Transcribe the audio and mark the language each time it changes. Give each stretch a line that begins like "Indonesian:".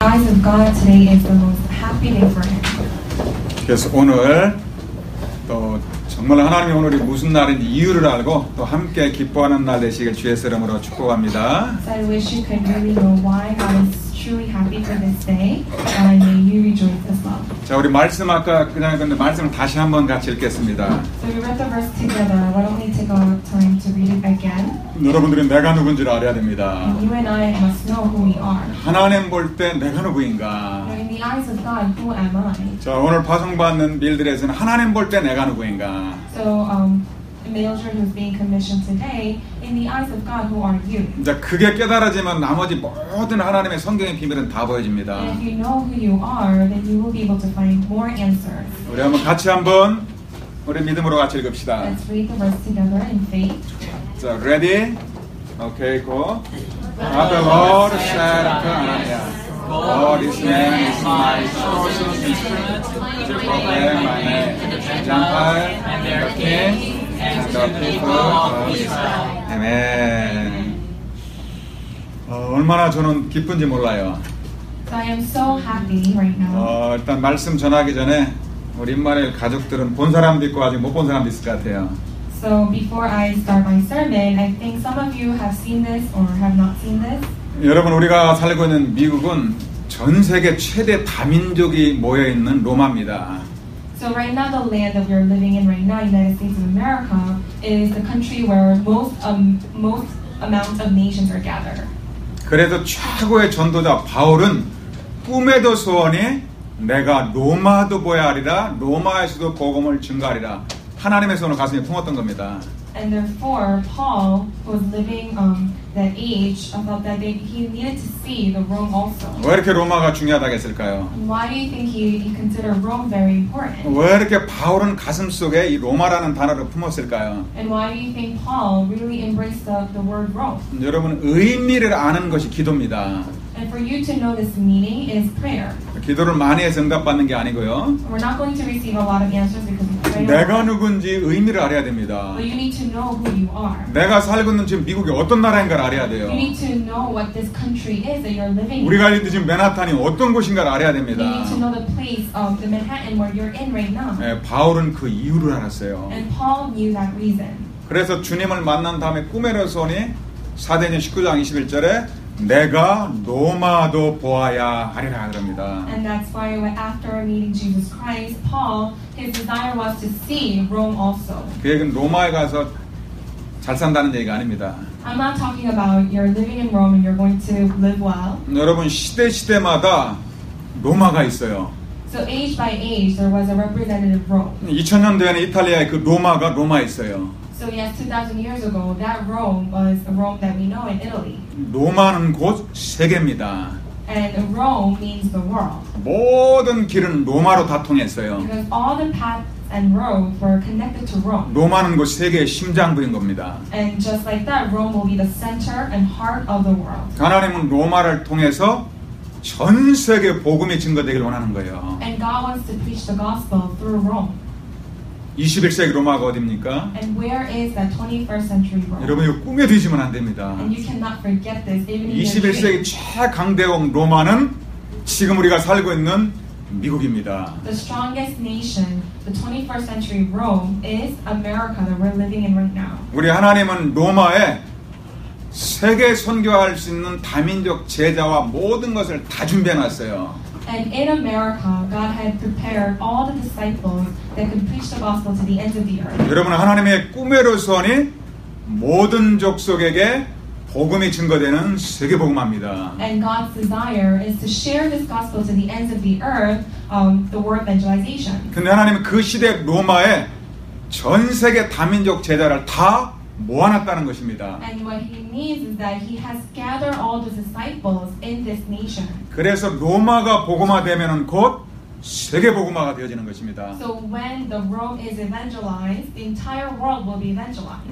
English: eyes of God today is the most happy day for him.
Korean: 그래서 오늘 또 정말 하나님이 오늘이 무슨 날인지 이유를 알고 또 함께 기뻐하는 날 되시길 주의 이름으로 축복합니다.
English: So I wish you could really know why God is truly happy for this day and may you rejoice as well.
Korean: 자, 우리 말씀 아까 그냥 근데 말씀을 다시 한번 같이 읽겠습니다.
English: So we read the verse together. We only take a time to read it again.
Korean: 여러분들이 내가 누군지를 알아야 됩니다.
English: You and I must know who we are.
Korean: 하나님 볼 때 내가 누구인가?
English: In the eyes of God, who am I?
Korean: 자, 오늘 파송받는 밀드레스는 하나님 볼 때 내가 누구인가?
English: So, Mildred who's being commissioned today, in the eyes of God, who are you?
Korean: 자, 그게 깨달아지면 나머지 모든 하나님의 성경의 비밀은 다 보여집니다.
English: And if you know who you are, then you will be able to find more answers.
Korean: 우리 한번 같이 한번 우리 믿음으로 같이 읽읍시다.
English: Let's read the verse together in faith. 자, ready? Okay, go. The Lord said to Ananias, Lord, this man is my chosen instrument to proclaim my name to the Gentiles and their kings and to the people of Israel. Amen.
Korean: 얼마나 저는 기쁜지 몰라요.
English: So I am so happy right now.
Korean: 일단 말씀 전하기 전에 우리 임마누엘 가족들은 본 사람도 있고 아직 못 본 사람도 있을 것 같아요.
English: So before I start my sermon, I think some of you have seen this or have not seen this.
Korean: 여러분, 우리가 살고 있는 미국은 전 세계 최대 다민족이 모여 있는 로마입니다.
English: So right now the land that you're living in right now, United States of America, is the country where most amount of nations are gathered.
Korean: 그래도 최고의 전도자 바울은 꿈에도 소원이 내가 로마도 보야리라 로마에서도 복음을 증거하리라 하나님의 손을 가슴에 품었던 겁니다.
English: And therefore, Paul was living that age about that day. He needed to see the Rome also.
Korean: 왜 이렇게 로마가 중요하다 했을까요?
English: Why do you think he considered Rome very important?
Korean: 왜 이렇게 바울은 가슴 속에 이 로마라는 단어를 품었을까요?
English: And why do you think Paul really embraced the word Rome?
Korean: 여러분, 의미를 아는 것이 기도입니다.
English: And for you to know this meaning is prayer.
Korean: 기도를 많이 해서 응답받는 게 아니고요.
English: We're not going to receive a lot of answers because of prayer.
Korean: 내가 누군지 의미를 알아야 됩니다.
English: But you need to know who you are.
Korean: 내가 살고 있는 지금 미국이 어떤 나라인가를 알아야 돼요.
English: You need to know what this country is that you're living in.
Korean: 우리가 있는 지금 맨하탄이 어떤 곳인가를 알아야 됩니다.
English: You need to know the place of the Manhattan where you're in right now.
Korean: 네, 바울은 그 이유를 알았어요.
English: And Paul knew that reason.
Korean: 그래서 주님을 만난 다음에 꿈에서니 사도행전 19장 21절에 내가 로마도 보아야 하리라 그럽니다.
English: And that's why after meeting Jesus Christ, Paul, his desire was to see Rome also.
Korean: 그 얘기는 로마에 가서 잘 산다는 얘기가 아닙니다.
English: I'm not talking about you're living in Rome and you're going to live well.
Korean: 여러분, 시대시대마다 로마가 있어요.
English: So age by age, there was a representative Rome.
Korean: 2000년 전에 이탈리아의 그 로마가 로마 있어요.
English: So yes, 2,000 years ago, that Rome was a Rome that we know in Italy.
Korean: 로마는 곧 세계입니다.
English: And Rome means the world.
Korean: 모든 길은 로마로 다 통했어요.
English: Because all the paths and roads were connected to Rome.
Korean: 로마는 곧 세계의 심장부인 겁니다.
English: And just like that, Rome will be the center and heart of the world.
Korean: 하나님은 로마를 통해서 전 세계 복음이 증거되길 원하는 거예요.
English: And God wants to preach the gospel through Rome.
Korean: 21세기 로마가 어디입니까?
English: And where is that 21st century Rome?
Korean: 여러분, 이거 꿈에 드시면 안 됩니다.
English: And you cannot forget this, even in your dreams.
Korean: 21세기 최강대국 로마는 지금 우리가 살고 있는 미국입니다.
English: The strongest nation, the 21st century Rome, is America that we're living in right now.
Korean: 우리 하나님은 로마에 세계 선교할 수 있는 다민족 제자와 모든 것을 다 준비해놨어요.
English: And in America, God had prepared all the disciples that could preach the gospel to the ends of the earth.
Korean: 여러분, 하나님의 꿈으로 소원이 모든 족속에게 복음이 증거되는 세계 복음화입니다.
English: And God's desire is to share this gospel to the ends of the earth, the world evangelization.
Korean: 근데 하나님은 그 시대 로마에 전 세계 다민족 제자를 다 모아놨다는 것입니다.
English: And what he means is that he has gathered all the disciples in this nation.
Korean: 그래서 로마가 복음화되면은 곧 세계 복음화가 되어지는 것입니다.
English: So when the Rome is evangelized, the entire world will be evangelized.